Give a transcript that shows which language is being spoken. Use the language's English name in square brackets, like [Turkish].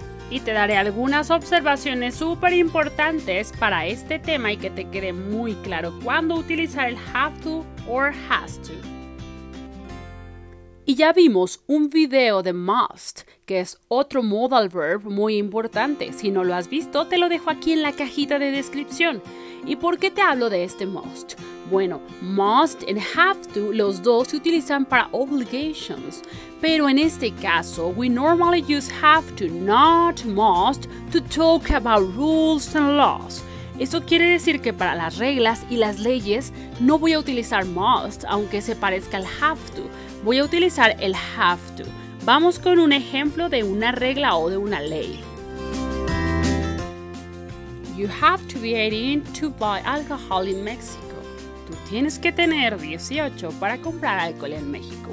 [Spanish] Y te daré algunas observaciones súper importantes para este tema y que te quede muy claro cuándo utilizar el have to or has to. Y ya vimos un video de must, que es otro modal verb muy importante. Si no lo has visto, te lo dejo aquí en la cajita de descripción. ¿Y por qué te hablo de este must? Bueno, must and have to, los dos se utilizan para obligations. Pero en este caso, [English] we normally use have to, not must, to talk about rules and laws. [Spanish] Esto quiere decir que para las reglas y las leyes, no voy a utilizar must, aunque se parezca al have to. Voy a utilizar el have to. Vamos con un ejemplo de una regla o de una ley. [English] You have to be 18 to buy alcohol in Mexico. [Spanish] Tú tienes que tener 18 para comprar alcohol en México.